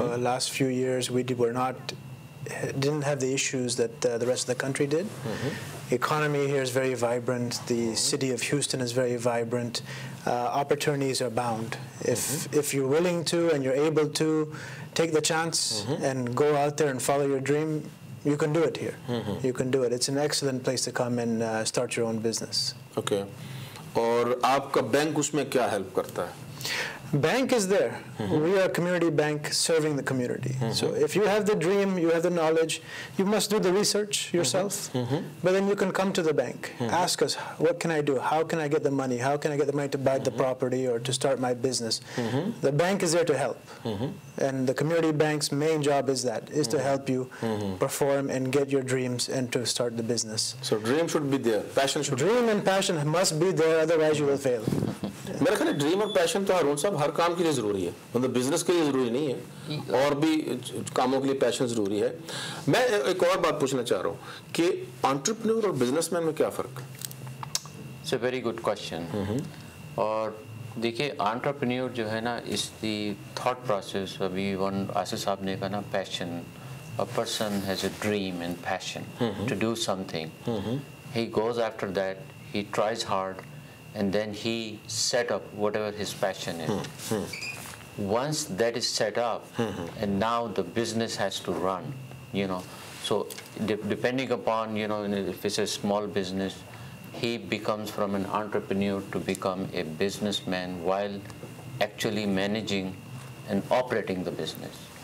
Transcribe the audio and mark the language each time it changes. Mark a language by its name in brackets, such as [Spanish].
[English] Last few years we were not didn't have the issues that the rest of the country did. Economy here is very vibrant, the city of Houston is very vibrant, opportunities are bound. If you willing to and you able to take the chance and go out there and follow your dream, you can do it here. You can do it. It's an excellent place to come and start your own business. [Hindi] Okay. Aur aapka bank usme kya help karta hai? [English] Bank is there. We are a community bank serving the community. So if you have the dream, you have the knowledge, you must do the research yourself. But then you can come to the bank. Ask us, what can I do? How can I get the money? How can I get the money to buy the property or to start my business? The bank is there to help. And the community bank's main job is that, is to help you perform and get your dreams and to start the business. So dream should be there, passion should dream be. And passion must be there, otherwise you will fail. [Hindi] मेरे ख्याल dream और passion तो अरुण साहब हर काम के लिए जरूरी है, मतलब बिजनेस के लिए जरूरी नहीं है, और भी कामों के लिए पैशन जरूरी है. मैं एक और बात पूछना चाह रहा हूँ कि एंटरप्रेन्योर और बिजनेसमैन में क्या फर्क? [English] It's a very good question. [Hindi] और देखिए [English] entrepreneur [Hindi] जो है ना, [English] is the thought process, [Hindi] अभी वन आशीष साहब ने कहा ना, [English] Passion, a person has a dream and passion to do something, he goes after that, he tries hard. And then he set up whatever his passion is. Once that is set up, and now the business has to run, you know. So depending upon, you know, if it's a small business, he becomes from an entrepreneur to become a businessman while actually managing and operating the business.